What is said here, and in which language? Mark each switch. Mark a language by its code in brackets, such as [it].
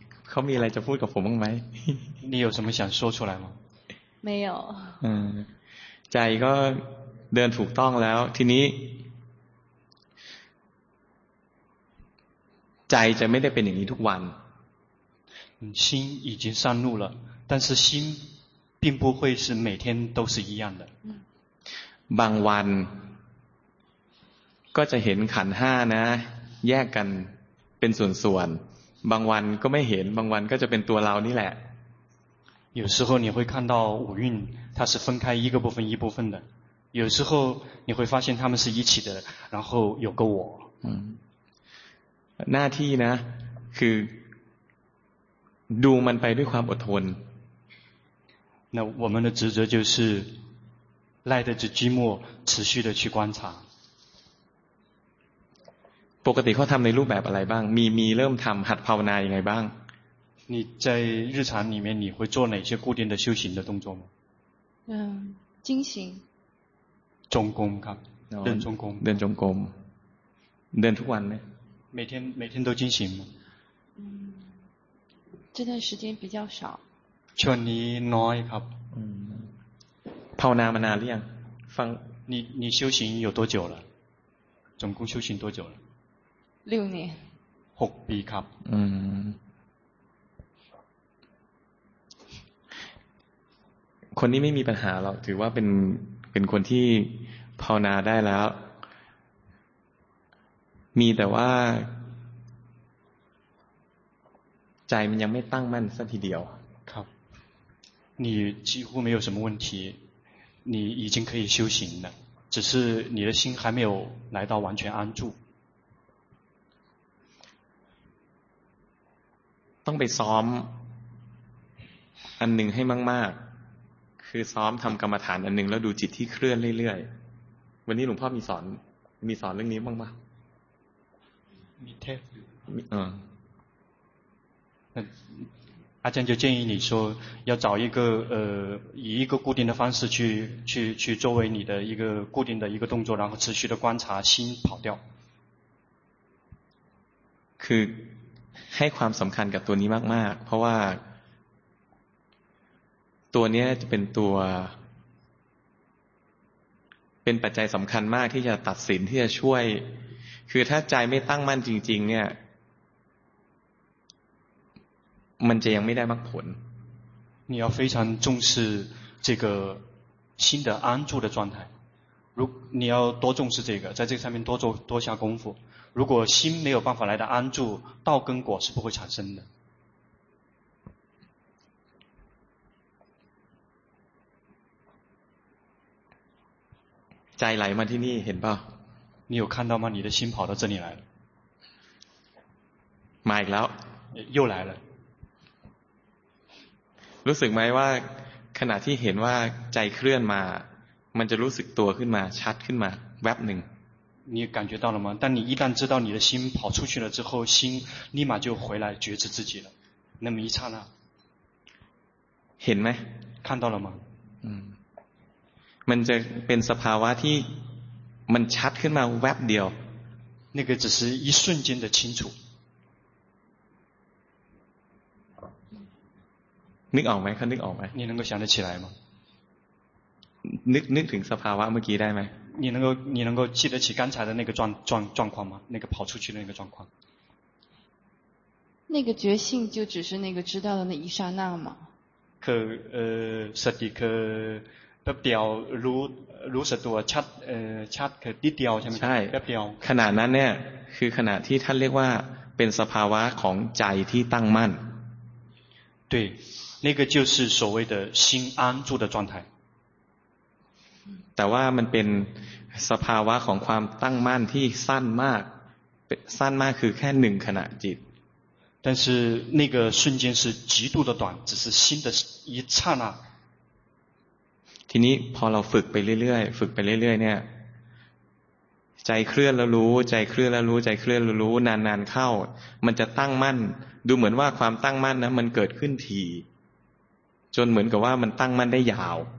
[th] เขามีอะไรจะพูดกับผมบ้างไหม [zh] 你有什么想说出来吗没有 [th] ใจก็เดินถูกต้องแล้วทีนี้ใจจะไม่ได้เป็นอย่างนี้ทุกวัน [zh] 心已经上路了但是心并不会是每天都是一样的 [th] บางวันก็จะเห็นขันธ์5นะแยกกันเป็นส่วนๆบางวันก็ไม่เห็นบางวันก็จะเป็นตัวเรานี่แหละ [zh] 有时候你会看到五蕴它是分开一个部分一部分的有时候你会发现它们是一起的然后有个我 [th] หน้าที่นะคือดูมันไปด้วยความอดทน [zh] 那我们的职责就是耐得住寂寞持续的去观察 [th] ปกติเขาทำในรูปแบบอะไรบ้างมีเริ่มทำหัดภาวนายังไงบ้าง [zh] 你在日常里面你会做哪些固定的修行的动作吗精行中功 [th] ครับเดินจงกรม เดินจงกรมเดินทุกวันไหม [zh] 每天都进行吗？这段时间比较少。 [th] ช่วงนี้น้อยครับ。 ภาวนามานานหรือยัง？ ฟัง [zh] 你修行有多久了？总共修行多久了？六年。 [th] 6ปีครับ。 คนนี้ไม่มีปัญหาหรอกถือว่าเป็นคนที่ภาวนาได้แล้วมีแต่ว่าใจมันยังไม่ตั้งมั่นสักทีเดียว [zh] ครับ你几乎没有什么问题你已经可以修行了只是你的心还没有来到完全安住 [th] ต้องไปซ้อมอันหนึ่งให้มากๆคือซ้อมทำกรรมฐานอันหนึ่งแล้วดูจิตที่เคลื่อนเรื่อยๆวันนี้หลวงพ่อมีสอนเรื่องนี้บ้างไห ม [zh] 嗯，那阿江就建议你说，要找一个以一个固定的方式去作为你的一个固定的一个动作，然后持续的观察心跑掉。 [th] คือให้ความสำคัญกับตัวนี้มากๆเพราะว่าตัวนี้จะเป็นปัจจัยสำคัญมากที่จะตัดสินที่จะช่วยคือถ้าใจไม่ตั้งมั่นจริงๆเนี่ยมันจะยังไม่ได้มรรคผล [zh] 你要非常重视这个心的安住的状态如你要多重视这个在这上面多做多下功夫如果心没有办法来的安住道跟果是不会产生的 [th] ใจไหลมาที่นี่เห็นป่ะ [zh] 你有看到吗？你的心跑到这里来了。 [th] มาอีกแล้ว [zh] 又来了。 [th] รู้สึกไหมว่าขณะที่เห็นว่าใจเคลื่อนมามันจะรู้สึกตัวขึ้นมาชัดขึ้นมาแวบหนึ่ง [zh] 你感觉到了吗？但你一旦知道你的心跑出去了之后，心立马就回来觉知自己了。那么一刹那。 [th] เห็นไหม？ [zh] 看到了吗？ [th] มันจะเป็นสภาวะที่มันชัดขึ้นมาแวบเดียว [zh] 那个只是一瞬间的清楚 [th] นึกออกไหมคะนึกออกไหม [zh] 你能够想得起来吗 [th] นึกถึงสภาวะเมื่อกี้ได้ไหม [zh] 你能够记得起刚才的那个状况吗那个跑出去的那个状况那个觉性就只是那个知道的那一刹那吗 [th] 可สติคือแป๊บเดียวรู้สึกตัวชัดชัดแค่นิดเดียวใช่ไหม ใช่แ ป๊บเดียว ขณะนั้นเนี่ยคือขณะที่ท่านเรียกว่าเป็นสภาวะของใจที่ตั้งมั่น [zh] 对那个就是所谓的心安住的状态 [th] แต่ว่ามันเป็นสภาวะของความตั้งมั่นที่สั้นมากสั้นมากคือแค่1ขณะจิต [zh] 但是那个瞬间是极度的短只是心的一刹那 [th] ทีนี้พอเราฝึกไปเรื่อยๆฝึกไปเรื่อยๆเนี่ยใจเคลื่อนแล้วรู้ใจเคลื่อนแล้วรู้ใจเคลื่อนแล้วรู้นานๆเข้ามันจะตั้งมั่นดูเหมือนว่าความตั้งมั่นนะมันเกิดขึ้นทีจนเหมือนกับว่ามันตั้งมั่นได้ยาว